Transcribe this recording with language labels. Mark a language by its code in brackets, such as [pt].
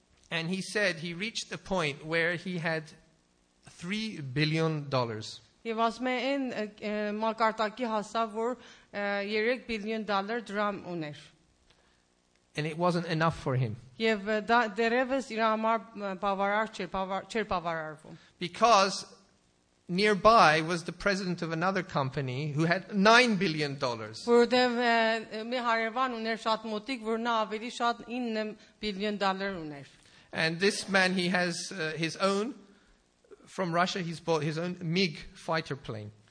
[en] And he said he reached the point where he had $3 billion. [hy] Եվ ասում է այն մակարտակի հասավ որ 3 միլիոն դոլար դրամ ուներ։ [en] And it wasn't enough for him. [hy] Եվ դերևս իր համար բավարար չէր բավարարվում։ [en] Because nearby was the president of another company who had $9 billion. [hy] Որտեղ մի հարևան ուներ շատ մոտիկ որ նա ավելի շատ 9 միլիոն դոլար ուներ։ [en] And this man he has his own from Russia he's bought his own MiG fighter plane.